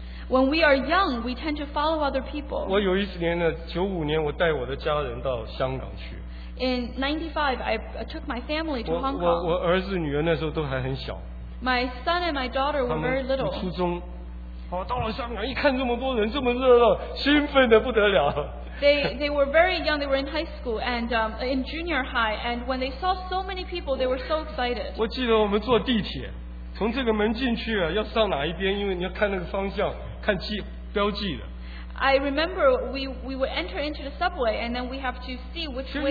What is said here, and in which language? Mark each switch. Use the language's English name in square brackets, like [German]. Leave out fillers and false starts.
[English] When we are young, we tend to follow other people. [Chinese] 我有一年呢，95年，我带我的家人到香港去。 [English] In 1995, I took my family to Hong Kong. [Chinese] 我儿子女儿那时候都还很小。 [English] My son and my daughter were very little. [Chinese] 初中，哦，到了香港，一看这么多人这么热闹，兴奋的不得了。 [English] They were very young. They were in high school and in junior high. And when they saw so many people, they were so excited. [Chinese] 我记得我们坐地铁，从这个门进去啊，要上哪一边，因为你要看那个方向，看记标记的。 [English] I remember we would enter into the subway and then we have to see which way to go.